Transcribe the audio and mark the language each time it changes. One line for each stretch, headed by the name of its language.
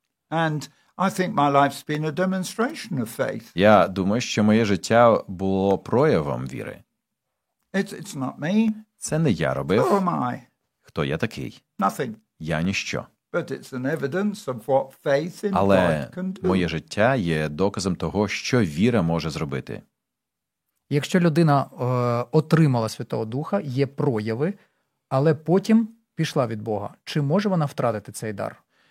English: And I think my life's been a demonstration of faith.
Ukrainian: Я думаю, що моє життя було проявом віри.
English: It's not me.
Ukrainian: Це не я робив.
English: Who am I?
Ukrainian: Хто я такий?
English: Nothing.
Ukrainian: Я ніщо.
English: But it's an evidence of what faith in
Ukrainian: Але
English: God can do.
Ukrainian: Але моє життя є доказом того, що віра може зробити. Якщо людина отримала Святого Духа, є прояви, але потім пішла від Бога, чи може вона втратити цей дар?